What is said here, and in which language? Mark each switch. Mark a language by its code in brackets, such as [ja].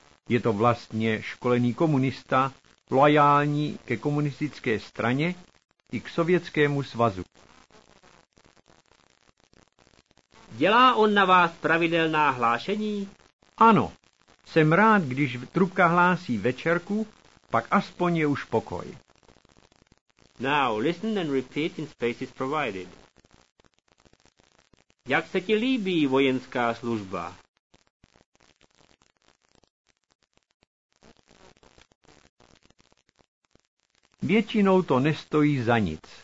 [cs] Je to vlastně školený komunista, loajální ke komunistické straně i k Sovětskému svazu. Dělá on na vás pravidelná hlášení? Ano. Jsem rád, když trubka hlásí večerku, pak aspoň je už pokoj. [en] Now listen and repeat in spaces provided. [cs] Jak se ti líbí vojenská služba? Většinou to nestojí za nic.